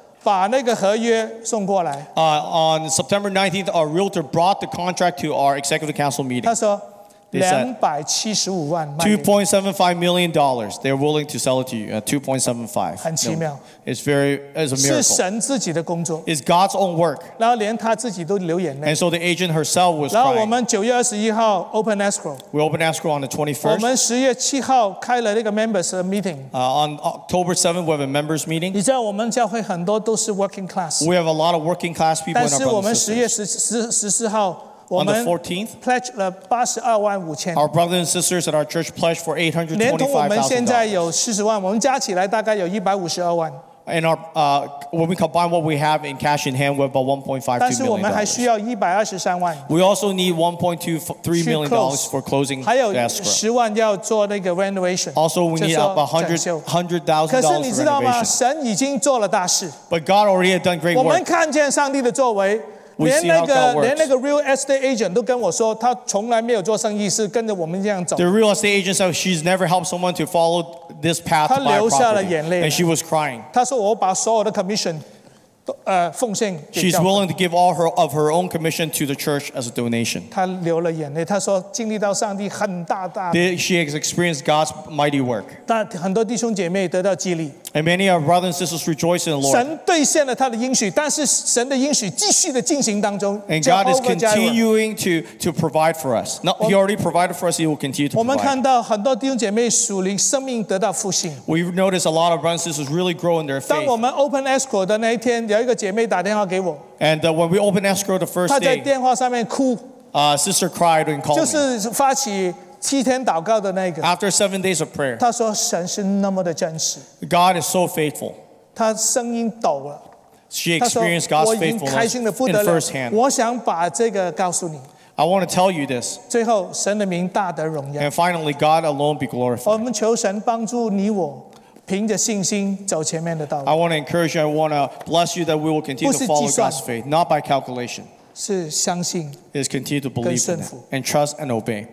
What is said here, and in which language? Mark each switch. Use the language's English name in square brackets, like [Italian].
[Chinese] 把那个合约送过来。 [English] On September 19th, our realtor brought the contract to our executive council meeting. [Chinese] 他说275万。 [English] $2.75 million. They're willing to sell it to you at 2.75. [Chinese] 很奇妙。 [English] It's a miracle. [Chinese] 是神自己的工作。 [English] It's God's own work. [Chinese] 然后连他自己都流眼泪。 [English] And so the agent herself was crying. [Chinese] 然后我们9月21号 [English] open escrow. We opened escrow on the 21st. [Chinese] 我们10月7号开了那个 [English] members meeting. On October 7th, we have a members meeting. [Chinese] 你知道我们教会很多都是 working class. [English] We have a lot of working class people in our brothers and sisters. [Chinese] 但是我们10月14号 [English] On the 14th, pledged 825,000. Our brothers and sisters at our church pledged for $825,000. And when we combine what we have in cash in hand, we have about $1.52 million. We also need $1.23 million for closing escrow. Also, we need about $100,000 for renovation. But God already had done great work. We see how God works. [Chinese] 连那个 real estate agent 都跟我说，他从来没有做生意是跟着我们这样走。 [English] The real estate agent said she's never helped someone to follow this path. [Chinese] 他流下了眼泪。 [English] And she was crying. [Chinese] 他说我把所有的 commission 奉献。 [English] She's willing to give all of her own commission to the church as a donation. [Chinese] 他流了眼泪，他说经历到上帝很大。 [English] She has experienced God's mighty work. [Chinese] 但很多弟兄姐妹得到激励。 [English] And many of our brothers and sisters rejoice in the Lord. [Chinese] 神兑现了他的应许，但是神的应许继续的进行当中。 [English] And God is continuing to provide for us. Now He already provided for us. He will continue to provide. [Chinese] 我们看到很多弟兄姐妹属灵生命得到复兴。 [English] We've noticed a lot of brothers and sisters really grow in their faith. [Chinese] 当我们 [English] open escrow [Chinese] 的那一天，有一个姐妹打电话给我。 [English] And when we open escrow the first day, [Chinese] 她在电话上面哭。 [English] Sister cried and called me. [Chinese] 就是发起。七天祷告的那个。 [English] After 7 days of prayer, [Chinese] 他说神是那么的真实。 [English] God is so faithful. [Chinese] 他声音抖了。 [English] She experienced God's faithfulness in firsthand. [Chinese] 我想把这个告诉你。 [English] I want to tell you this. [Chinese] 最后，神的名大得荣耀。 [English] And finally, God alone be glorified. [Chinese] 我们求神帮助你我，凭着信心走前面的道路。 [English] I want to encourage you. I want to bless you that we will continue to follow God's faith, not by calculation. [Chinese] 是相信， [English] is continue to believe in it, and trust and obey.